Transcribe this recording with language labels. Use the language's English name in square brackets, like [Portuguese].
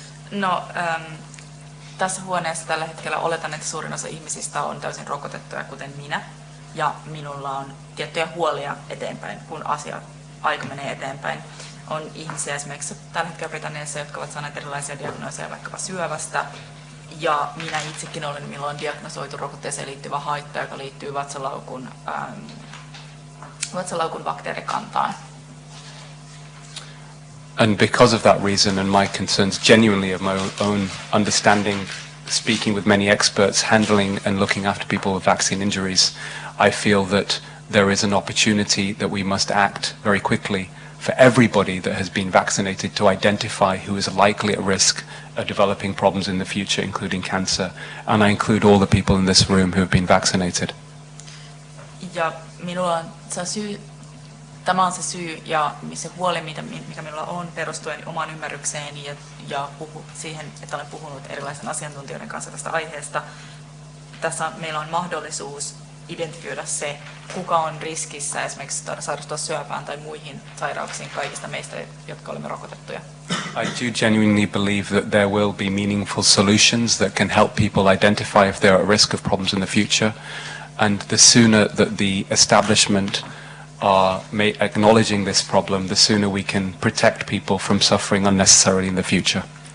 [Finnish] No, tässä huoneessa tällä hetkellä oletan, että suurin osa ihmisistä on täysin rokotettuja, kuten minä, ja minulla on tiettyjä huolia eteenpäin, kun aika menee eteenpäin. On ihmisiä esimerkiksi tällä hetkellä Britanniassa, jotka ovat saaneet erilaisia diagnooseja vaikkapa syövästä. Ja minä itsekin olen milloin diagnosoitu rokotteeseen liittyvä haitta, joka liittyy vatsalaukun bakteerikantaan. [English] And because of that reason and my concerns genuinely of my own understanding, speaking with many experts, handling and looking after people with vaccine injuries, I feel that there is an opportunity that we must act very quickly for everybody that has been vaccinated to identify who is likely at risk of developing problems in the future, including cancer. And I include all the people in this room who have been vaccinated. [Finnish] Ja minulla on se syy, tämä on se syy ja se huoli, mikä minulla on, perustuen omaan ymmärrykseeni ja siihen, että olen puhunut erilaisen asiantuntijoiden kanssa tästä aiheesta. Tässä meillä on mahdollisuus identifioida se, kuka on riskissä esimerkiksi sairastua syöpään tai muihin sairauksiin kaikista meistä, jotka olemme rokotettuja. [English] I do genuinely believe that there will be meaningful solutions that can help people identify if they are at risk of problems in the future. And the sooner that the establishment are acknowledging this problem, the sooner we can protect people from suffering unnecessarily in the future.